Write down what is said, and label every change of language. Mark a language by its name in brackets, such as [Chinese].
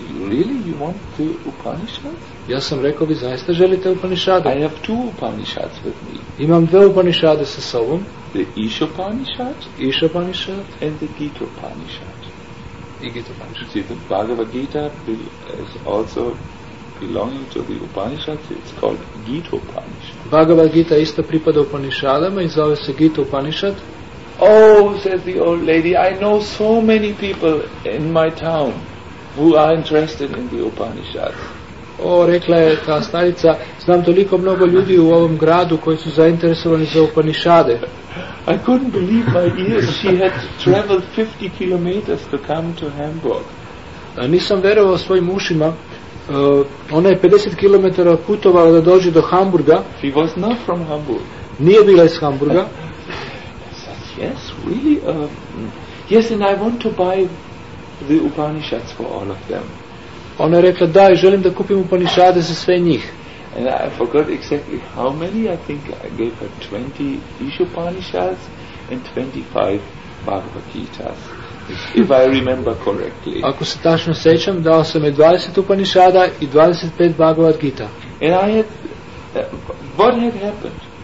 [English] Really, you want the Upanishads? [Serbian] Ja sam rekao, vi zaista želite Upanishade? [English] I have two Upanishads with me. [Serbian] Imam dve Upanishade sa sobom. [English] The Isha Upanishad. [Serbian] Isha Upanishad. [English] And the Gita Upanishad. [Serbian] I Gita Upanishad. [English] See, the Bhagavad Gita is also belonging to the Upanishads. It's called Gita Upanishad. [Serbian] Bhagavad Gita isto pripada Upanishadama i zove se Gita Upanishad. [English] Oh, says the old lady, I know so many people in my town who are interested in the Upanishads. [Serbian] O, rekla je ta starica, znam toliko mnogo ljudi u ovom gradu koji su zainteresovani za Upanishade. [English] I couldn't believe my ears. She had traveled 50 kilometers to come to Hamburg. [Serbian] Nisam verovao svojim ušima. Ona je 50 kilometara putovala da dođe do Hamburga. [English] She was not from Hamburg. [Serbian] Nije bila iz Hamburga. [English] Yes, really? Yes, and I want to buy the Upanishads for all of them. [Serbian] Ona je rekla, da, želim da kupim Upanishade za sve njih. [English] And I forgot exactly how many. I think I gave her 20 Isha Upanishads and 25 Bhagavad Gitas. if I remember correctly. [Serbian] Ako se tačno sećam, dao sam je 20 Upanishada i 25 Bhagavad Gita. [English] And I had, what had happened?